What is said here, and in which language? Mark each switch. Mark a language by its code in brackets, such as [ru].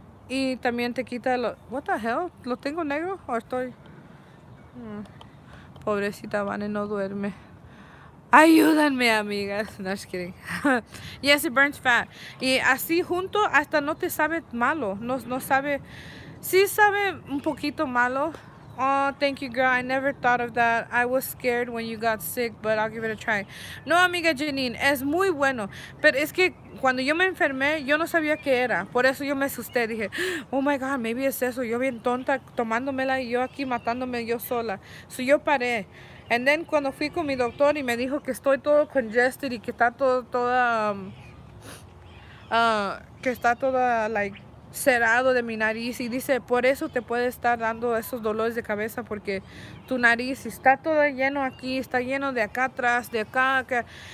[es] Y también te quita lo. [en] What the hell? [es] ¿Lo tengo negro o estoy? Pobrecita Vane, no duerme. Ayúdenme, amigas. No, [en] just kidding. Yes, it burns fat. [es] Y así junto hasta no te sabe malo. No sabe. Sí sabe un poquito malo. [en] Oh, thank you, girl. I never thought of that. I was scared when you got sick, but I'll give it a try. [es] No, amiga Janine, es muy bueno. Pero es que cuando yo me enfermé, yo no sabía qué era. Por eso yo me asusté. Dije, [en] oh, my God, maybe [es] es eso. Yo bien tonta tomándomela y yo aquí matándome yo sola. So yo paré. [en] And then [es] cuando fui con mi doctor y me dijo que estoy todo congested y que está toda, like, cerrado de mi nariz, y dice por eso te puede estar dando esos dolores de cabeza, porque tu nariz está todo lleno aquí, está lleno de acá atrás, de acá, acá.